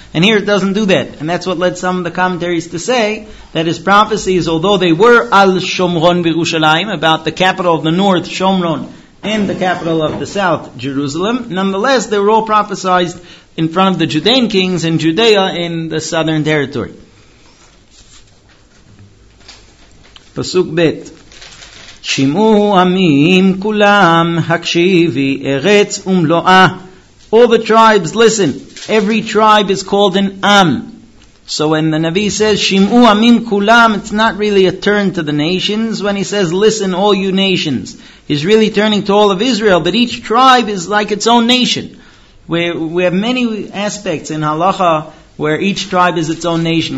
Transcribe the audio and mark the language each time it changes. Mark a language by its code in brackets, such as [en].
[en] And here it doesn't do that. And that's what led some of the commentaries to say that his prophecies, although they were [he] Al Shomron Birushalayim, [en] about the capital of the north, Shomron, and the capital of the south, Jerusalem, nonetheless, they were all prophesied in front of the Judean kings in Judea in the southern territory. Pasuk Bet. [he] שימו עמים כולם, הקשיבי ארץ ומלואה. [en] All the tribes, listen. Every tribe is called an Am. So when the Navi says, [he] Shim'u Amim Kulam, [en] it's not really a turn to the nations. When he says, listen all you nations, he's really turning to all of Israel, but each tribe is like its own nation. We have many aspects in Halacha where each tribe is its own nation.